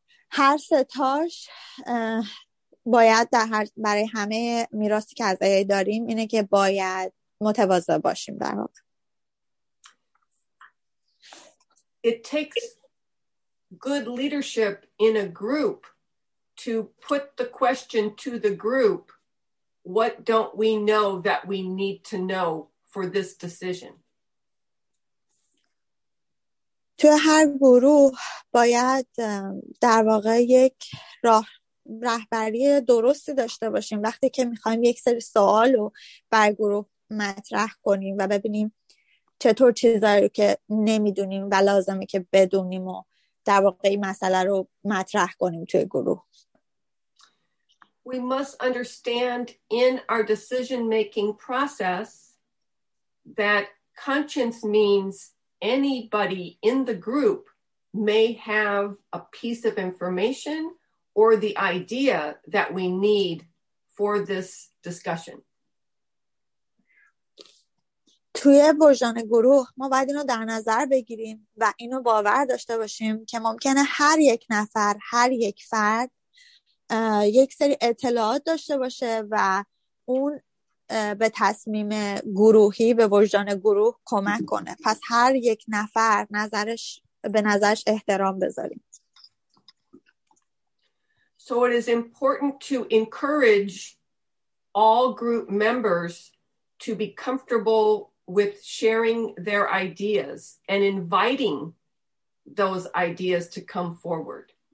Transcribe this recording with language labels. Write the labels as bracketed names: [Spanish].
[Persian] هر سه تاش باید در هر برای همه میراثی که از ای داریم اینه که باید متواضع باشیم در واقع. [English] It takes good leadership in a group to put the question to the group, what don't we know that we need to know for this decision? [Persian] تو هر گروه باید در واقع یک راه رهبری درستی داشته باشیم وقتی که میخوایم یک سری سوال رو بر گروه مطرح کنیم و ببینیم چطور چیزایی رو که نمیدونیم و لازمه که بدونیم و در واقع این مسئله رو مطرح کنیم توی گروه. [English] We must understand in our decision-making process that conscience means anybody in the group may have a piece of information or the idea that we need for this discussion. [Persian] توی ورژن گروه ما باید اینو در نظر بگیریم و اینو باور داشته باشیم که ممکنه هر یک نفر، هر یک فرد یک سری اطلاعات داشته باشه و اون به تصمیم گروهی به وجدان گروه کمک کنه. پس هر یک نفر نظرش به نظرش احترام بذاریم. [English] So it is important to encourage all group members to be comfortable with sharing their ideas and inviting those ideas to come forward.